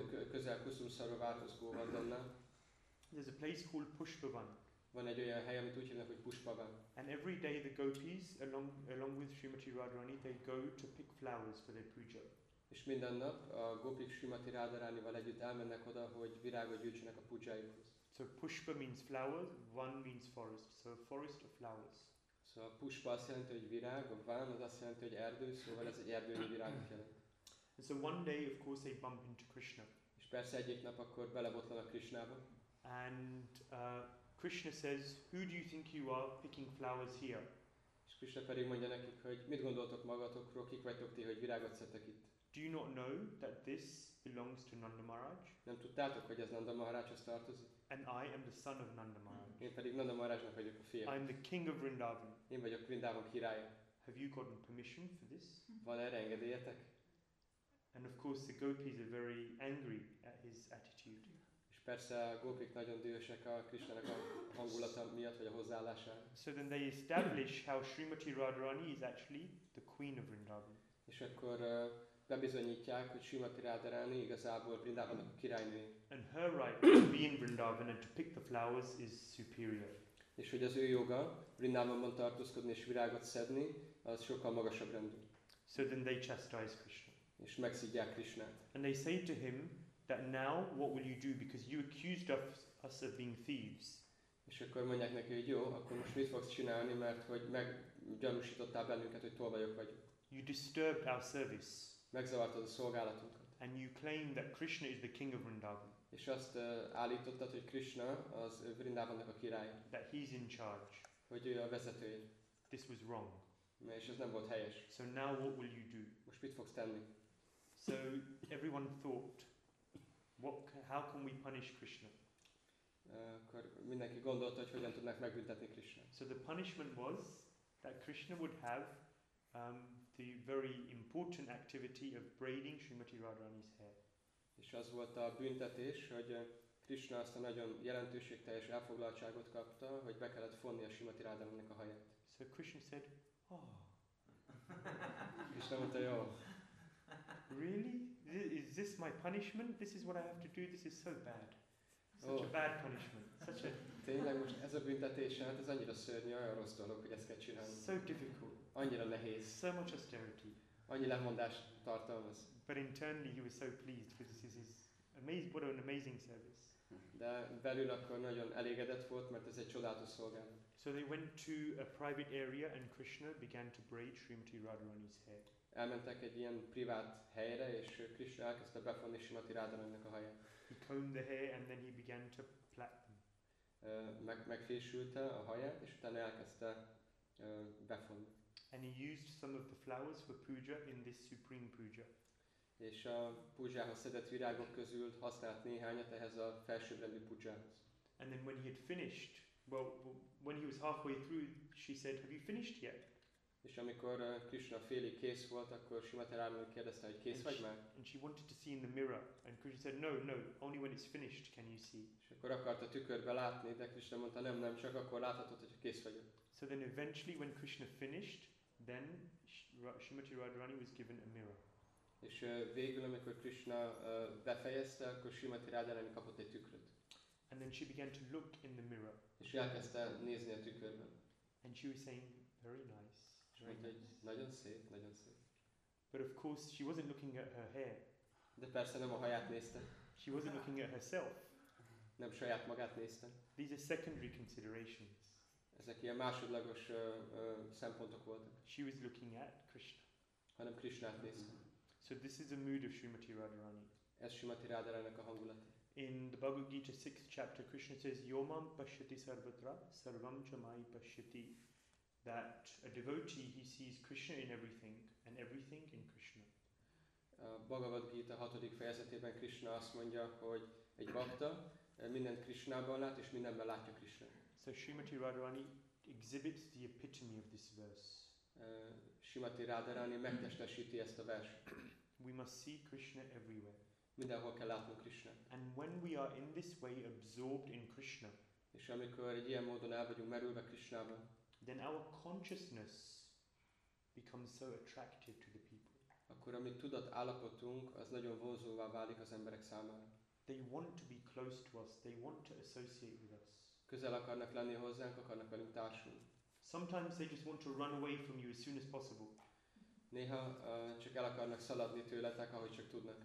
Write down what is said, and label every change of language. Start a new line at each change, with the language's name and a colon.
Hungarian: Közel Kusum Sarovarhoz Govardhannál.
English: There's a place called Pushpavan.
Hungarian: Van egy olyan hely, amit úgy hívnak, hogy Pushpavan.
English: And every day the gopis, along with Srimati Radharani, they go to pick flowers for their puja.
Hungarian: És minden nap a gopik Srimati Radharanival együtt elmennek oda, hogy virágot gyűjtsenek a pujájukhoz.
English: So Pushpa means flowers, van means forest. So a forest of flowers.
Hungarian: So a Pushpa azt jelenti, hogy virág, a van az azt jelenti, hogy erdő, szóval ez egy erdőnyi virágot jelent.
English: And so one day, of course, they bump into Krishna.
Hungarian: És persze egyik nap akkor belebotlanak Krishnába.
English: And Krishna says, who do you think you are picking flowers here?
Hungarian: És Krishna pedig mondja nekik, hogy mit gondoltok magatokról, kik vagytok ti, hogy virágot szedtek itt?
English: Do you not know that this belongs to Nanda Maharaj?
Hungarian: Nem tudtátok, hogy ez Nanda Maharajhoz tartozik?
English: And I am the son of Nanda Maharaj.
Hungarian: Én pedig Nanda Maharajnak vagyok a fia.
English: I am the king of Vrindavan.
Hungarian: Én vagyok Vrindavan királya.
English: Have you gotten permission for this?
Hungarian: Van erre engedélyetek?
English: And of course the gopis are very angry at his attitude.
Hungarian: És persze a gopik nagyon dühösek a Krishnának a hangulata miatt, vagy a hozzáállásán.
English: So then they establish how Srimati Radharani is actually the queen of Vrindavan.
Hungarian: És akkor bebizonyítják, hogy Srimati Radharani igazából Vrindavannak a királynője.
English: And her right to be in Vrindavan and to pick the flowers is superior.
Hungarian: És hogy az ő joga Vrindavanban tartózkodni és virágot szedni, az sokkal magasabb rendű.
English: So then they chastise Krishna.
Hungarian: És megszidják Krishnát.
English: And they say to him that now what will you do because you accused us of being thieves.
Hungarian: És akkor mondják neki, hogy jó, akkor most mit fogsz csinálni, mert hogy meggyanúsítottál bennünket, hogy tolvajok vagyunk.
English: You disturbed our service.
Hungarian: Megzavartad a szolgálatunkat.
English: And you claim that Krishna is the king of Vrindavan.
Hungarian: És azt állítottad, hogy Krishna az Vrindavannak a király.
English: That he's in charge.
Hungarian: Hogy ő a vezetője.
English: This was wrong.
Hungarian: És ez nem volt helyes.
English: So now what will you do?
Hungarian: Most mit fogsz tenni?
English: So everyone thought, how can we punish Krishna?
Hungarian: Akkor mindenki gondolta, hogy hogyan tudnak megbüntetni Krishna.
English: So the punishment was that Krishna would have the very important activity of braiding Srimati Radharani's hair.
Hungarian: És az volt a büntetés, hogy Krishna azt a nagyon jelentőségteljes elfoglaltságot kapta, hogy be kellett fonni a Srimati Radharani-nek a haját.
English: So Krishna said, oh.
Hungarian: Krishna mondta, jó.
English: Really? Is this my punishment? This is what I have to do? This is so bad. Such a bad punishment. Such a
Hungarian: tényleg most ez a büntetés, hát ez annyira szörnyű, olyan rossz dolog, hogy ezt kell csinálni.
English: So difficult.
Hungarian: Annyira nehéz.
English: So much austerity.
Hungarian: Annyi lemondást tartalmaz.
English: But internally he was so pleased because this is his amazing, what an amazing service.
Hungarian: De belül akkor nagyon elégedett volt, mert ez egy csodálatos szolgálat.
English: So they went to a private area and Krishna began to braid Srimati Radharani's hair.
Hungarian: Elmentek egy ilyen privát helyre, és Krishna elkezdte befonni Srimati Radharani-nak a haját.
English: He combed the hair and then he began to plait them.
Hungarian: Megfésülte a haját, és utána elkezdte befonni.
English: And he used some of the flowers for puja in this supreme puja.
Hungarian: És a pujához szedett virágok közül használt néhányat ehhez a felsőbbrendű pujához.
English: And then when he had finished, when he was halfway through, she said, have you finished yet?
Hungarian: És amikor Krishna félig kész volt, akkor Srimati Radharani kérdezte, hogy kész vagy már?
English: And she wanted to see in the mirror, and Krishna said, no, no, only when it's finished can you see.
Hungarian: És akkor akarta tükörbe látni, de Krishna mondta, nem, nem, csak akkor láthatod, hogy kész vagy.
English: So then eventually when Krishna finished, then Srimati Radharani was given a mirror.
Hungarian: És végül, amikor Krishna befejezte, akkor Srimati Radharani kapott egy tükröt.
English: And then she began to look in the mirror.
Hungarian: És elkezdte nézni a tükörben.
English: And she was saying, very nice.
Hungarian: Nagyon szép, nagyon szép.
English: But of course she wasn't looking at her hair.
Hungarian: De persze nem a haját nézte.
English: She wasn't looking at herself.
Hungarian: Nem saját magát nézte.
English: These are secondary considerations.
Hungarian: Ezek ilyen másodlagos szempontok voltak.
English: She was looking at Krishna.
Hungarian: Hanem Krishnát nézte.
English: So this is the mood of Srimati Radharani.
Hungarian: Ez Srimati Radharani-nak a hangulata.
English: In the Bhagavad Gita 6th chapter, Krishna says,
Sanskrit: Yomam pashyati sarvatra sarvam chamai pashyati.
English: That a devotee, he sees Krishna in everything, and everything in Krishna.
Hungarian: Bhagavad Gita 6. fejezetében Krishna azt mondja, hogy egy bhakta mindent Krishnában lát, és mindenben látja Krishna.
English: So Srimati Radharani exhibits the epitome of this verse.
Hungarian: Srimati Radharani megtestesíti ezt a verset.
English: We must see Krishna everywhere.
Hungarian: Mindenhol kell látnunk Krishna.
English: And when we are in this way absorbed in Krishna,
Hungarian: és amikor egy ilyen módon el vagyunk merülve Krishnában,
English: then our consciousness becomes so attractive to the people.
Hungarian: Akkor a mi tudat állapotunk, az nagyon vonzóvá válik az emberek számára.
English: They want to be close to us, they want to associate with us.
Hungarian: Közel akarnak lenni hozzánk, akarnak velünk társulni.
English: Sometimes they just want to run away from you as soon as possible.
Hungarian: Néha csak el akarnak szaladni tőletek, ahogy csak tudnak.